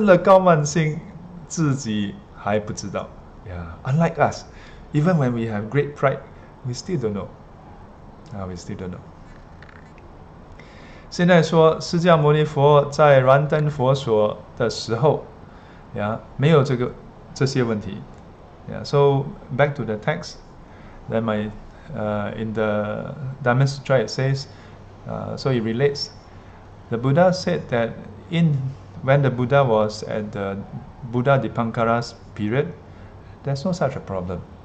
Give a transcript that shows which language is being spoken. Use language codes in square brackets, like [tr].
[zh] 不像我们生了高慢心自己还不知道. [en] Yeah. Unlike us, even when we have great pride, we still don't know. We still don't know. [zh] 现在说释迦牟尼佛在燃灯佛所的时候, yeah, 没有这些问题. [en] Yeah, so back to the text, then in the Diamond Sutra it says, so it relates, the Buddha said that when the Buddha was at the Buddha Dipankara's period, there's no such a problem.